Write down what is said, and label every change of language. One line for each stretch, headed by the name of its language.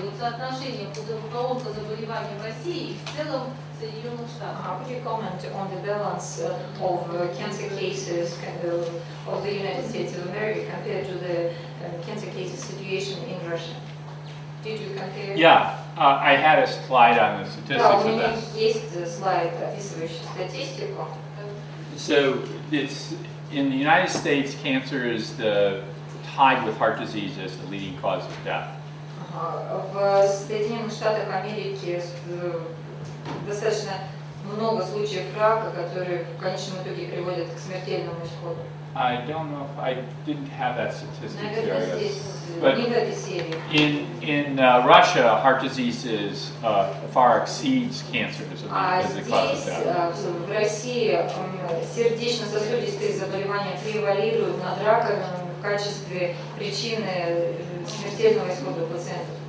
Russian: Вот соотношение по заболеваниям в России и в целом в Соединенных Штатах.
English: Could you comment on the balance of cancer cases of the United States of America compared to the cancer cases situation in Russia? Did you compare? Yeah, I had a slide on the statistics.
Russian: Да, у меня есть слайд, описывающий статистику.
English: So it's in the United States, cancer is tied with heart disease as the leading cause of death.
Russian: В Соединенных Штатах Америки достаточно много случаев рака, которые в конечном итоге приводят к смертельному исходу.
English: I don't know if I didn't have that statistic
Russian: Наверное, здесь не в этой серии.
English: In Russia, heart disease is far exceeds cancer as a cause of death.
Russian: А здесь, в России, сердечно-сосудистые заболевания превалируют над раком в качестве причины смертельного исхода пациентов.